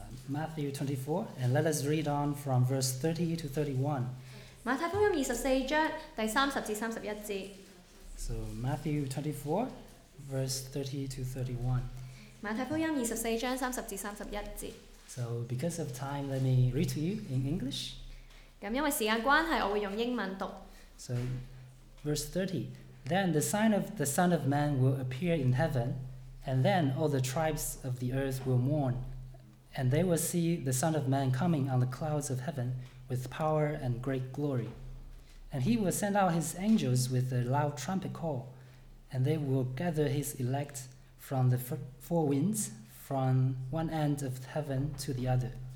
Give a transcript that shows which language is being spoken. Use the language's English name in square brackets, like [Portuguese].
[English] Matthew 24, and let us read on from verse 30 to 31. [Cantonese] 馬太福音24章第30至31節。 [English] So Matthew 24, verse 30 to 31. [Cantonese] 馬太福音24章30至31節。 [English] So because of time, let me read to you in English. [Cantonese] 咁因為時間關係，我會用英文讀。 [English] So verse 30. Then the sign of the Son of Man will appear in heaven, and then all the tribes of the earth will mourn, and they will see the Son of Man coming on the clouds of heaven with power and great glory. And he will send out his angels with a loud trumpet call, and they will gather his elect from the four winds, from one end of heaven to the other.